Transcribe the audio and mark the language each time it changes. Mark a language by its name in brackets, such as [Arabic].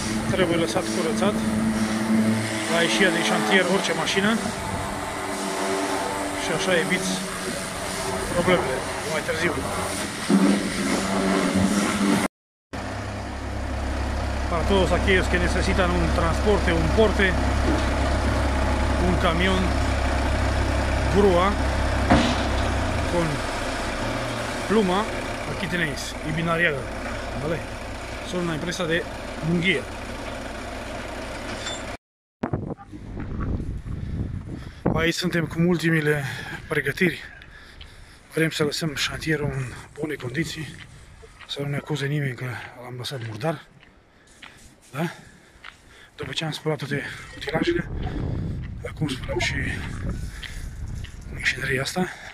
[Romanian] Trebuie lăsat curățat la ieșirea din șantier orice mașină și așa eviți problemele mai târziu. [Spanish] Para todos aquellos que necesitan un transporte, un porte, un camión, grúa con pluma, aquí tenéis, y binariaga, ¿vale? Son una empresa de Munguía. [Romanian] Aici suntem cu ultimile pregătiri. Vrem să lăsăm șantierul în bune condiții, să nu ne acuze nimeni că l-am lăsat murdar. Da? După ce am spălat toate utilajele, acum spălăm și mașinăria asta.